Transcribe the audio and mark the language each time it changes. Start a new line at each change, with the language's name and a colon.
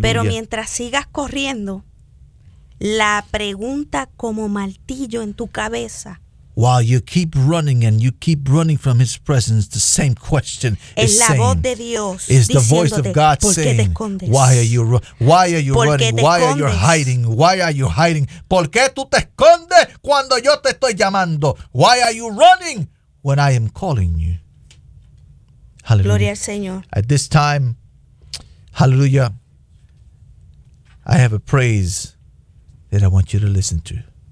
Spanish: Pero mientras sigas corriendo, la pregunta como martillo en tu cabeza.
English: While you keep running and you keep running from His presence, the same question is
Spanish: la
English: saying,
Spanish: voz de Dios
English: is the voice of God saying, why are you running? Why are you hiding? Why are you hiding?
Spanish: ¿Por qué tú te escondes cuando yo te estoy llamando?
English: Why are you running when I am calling you? Hallelujah.
Spanish: Gloria al Señor.
English: At this time, hallelujah, I have a praise that I want you to listen to.